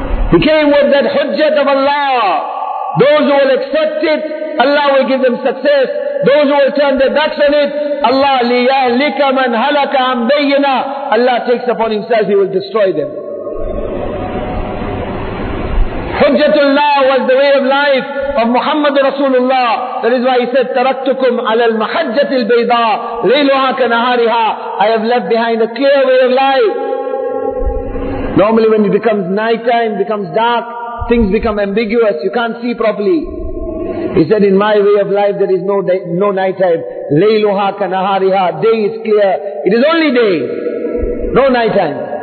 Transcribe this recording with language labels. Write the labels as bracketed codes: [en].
[en] He came with that hujjat of Allah. Those who will accept it, Allah will give them success. Those who will turn their backs on it, Allah [ar] لِيَهْلِكَ مَنْ هَلَكَ عَنْ بَيِّنَا. [en] Allah takes upon Himself, He will destroy them. Hujjatul Allah was the way of life of Muhammad Rasulullah. That is why he said, [ar] تَرَكْتُكُمْ عَلَى الْمَحَجَّةِ الْبَيْضَاءِ لَيْلُهَا كَنَهَارِهَا. [en] I have left behind a clear way of life. Normally when it becomes night time, becomes dark, things become ambiguous, you can't see properly. He said, in my way of life there is no night time. [ar] لَيْلُهَا كَنَهَارِهَا. [en] Day is clear. It is only day. No night time.